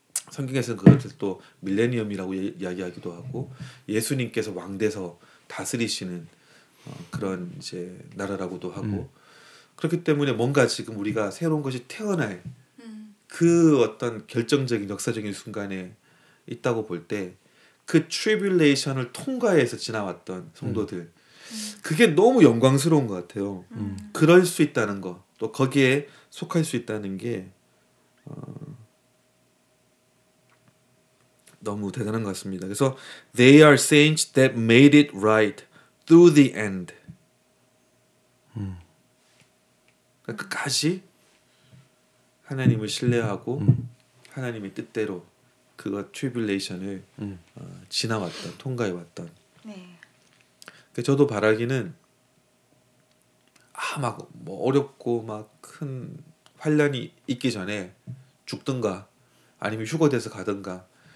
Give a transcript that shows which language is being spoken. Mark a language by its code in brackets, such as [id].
[ko] 성경에서는 그것을 또 밀레니엄이라고 이야기하기도 하고 예수님께서 왕돼서 다스리시는 그런 이제 나라라고도 하고 그렇기 때문에 뭔가 지금 우리가 새로운 것이 태어날 그 어떤 결정적인 역사적인 순간에 있다고 볼 때 그 트리뷸레이션을 통과해서 지나왔던 성도들 그게 너무 영광스러운 것 같아요. 그럴 수 있다는 거 또 거기에 속할 수 있다는 게 너무 대단한 것 같습니다. 그래서 [en] They are saints that made it right through the end. [ko] 그러니까 끝까지 하나님을 신뢰하고 하나님의 뜻대로 그 트리뷸레이션을 지나왔던, 통과해왔던 그러니까 저도 바라기는 막 뭐 어렵고 막 큰 환란이 있기 전에 죽든가 아니면 휴거돼서 가든가